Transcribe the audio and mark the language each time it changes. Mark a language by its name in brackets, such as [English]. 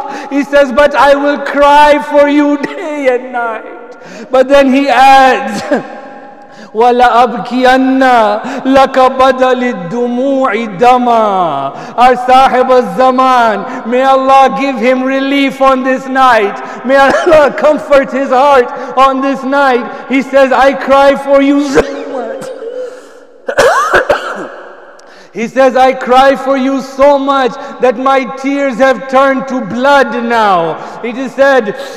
[English] He says, but I will cry for you day and night. But then he adds, [Arabic] وَلَا أَبْكِيَنَّ لَكَ بَدَلِ الدُّمُوعِ دَمَا. [English] Our sahib al-Zaman, may Allah give him relief on this night. May Allah comfort his heart on this night. He says, I cry for you so much. He says, I cry for you so much that my tears have turned to blood now. It is said,